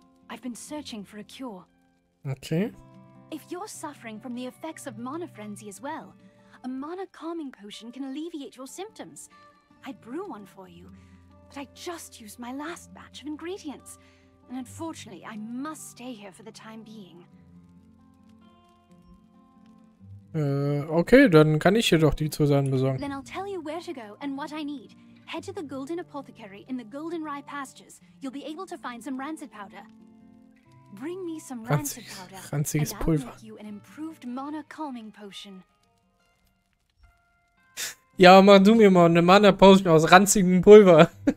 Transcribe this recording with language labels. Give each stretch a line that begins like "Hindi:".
English: I've been searching for a cure. Okay. If you're suffering from the effects of mana frenzy as well, a mana calming potion can alleviate your symptoms. I'd brew one for you, but I just used my last batch of ingredients. And unfortunately, I must stay here for the time being.
German: Okay, dann kann ich hier doch die Zusagen besorgen.
English: Then I'll tell you where to go and what I need. Head to the Golden Apothecary in the Golden Rye Pastures. You'll be able to find some rancid powder. Bring me some rancid powder.
German: Ranziges Pulver.
English: And I'll make you an improved mana calming potion.
German: Ja, mach du mir mal eine Mana Potion aus ranzigem Pulver.